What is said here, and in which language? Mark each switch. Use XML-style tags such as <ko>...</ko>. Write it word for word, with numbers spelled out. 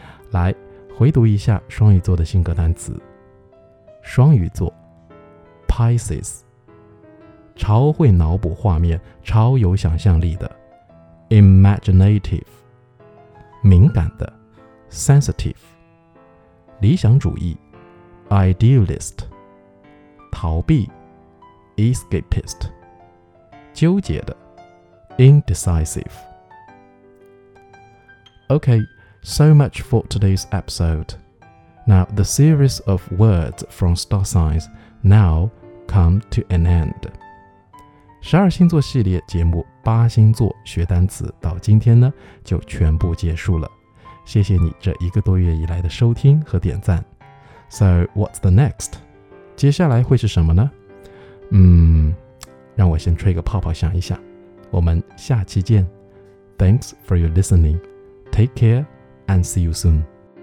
<zh>来，回读一下双鱼座的性格单词。双鱼座 Pisces， 超会脑补画面，超有想象力的 Imaginative， 敏感的 Sensitive， 理想主义 Idealist， 逃避 Escapist， 纠结的 Indecisive。</zh> <en>Okay, so much for today's episode. Now, the series of words from star signs now come to an end.</en> <zh>十二星座系列节目八星座学单词到今天呢就全部结束了。谢谢你这一个多月以来的收听和点赞。</zh> <en>So, what's the next?</en> <zh>接下来会是什么呢？嗯，让我先吹个泡泡想一想。我们下期见。</zh> <en>Thanks for your listening.Take care and see you soon.</en>